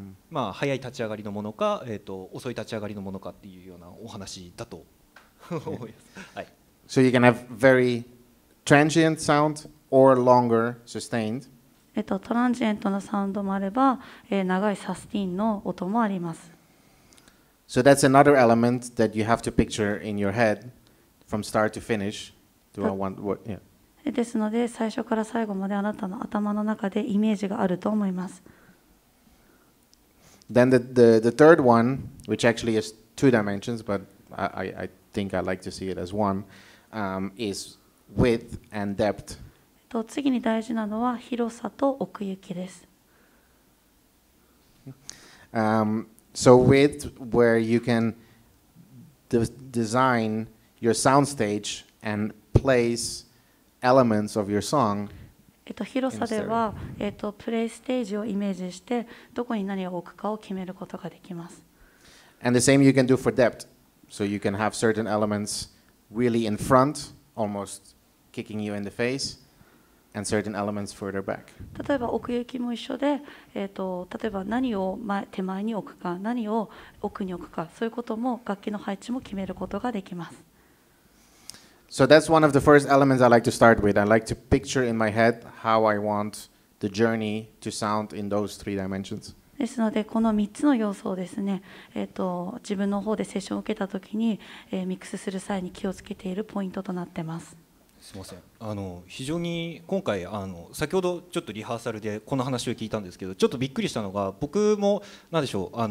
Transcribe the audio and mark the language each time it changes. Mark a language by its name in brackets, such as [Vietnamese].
[Japanese] まあ、早い立ち上がりのものか、遅い立ち上がりのものかっていうようなお話だと思います。 [English] So you can have very transient sound or longer sustained. [Japanese] トランジエントのサウンドもあれば、長いサスティーンの音もあります。 [English] So that's another element that you have to picture in your head from start to finish. Do I want what? Yeah. [Japanese] ですので、最初から最後まであなたの頭の中でイメージがあると思います。 [English] Then the third one, which actually is two dimensions, but I think I like to see it as one, is width and depth. [Japanese] 次に大事なのは広さと奥行きです。 [English] So width, where you can design your sound stage and place elements of your song [Japanese] 広さでは、プレイステージをイメージしてどこに何を置くかを決めることができます。 [English] And the same you can do for depth. So you can have certain elements really in front, almost kicking you in the face. And certain elements further back. [Japanese] 例えば奥行きも一緒で、例えば何を前手前に置くか、何を奥に置くか、そういうことも楽器の配置も決めることができます。 [English] So that's one of the first elements I like to start with. I like to picture in my head how I want the journey to sound in those three dimensions. [Japanese] ですので、この3つの要素をですね、自分の方でセッションを受けたときに、ミックスする際に気をつけているポイントとなってます。すみません、非常に今回先ほどちょっとリハーサルでこの話を聞いたんですけど、ちょっとびっくりしたのが、僕も何でしょ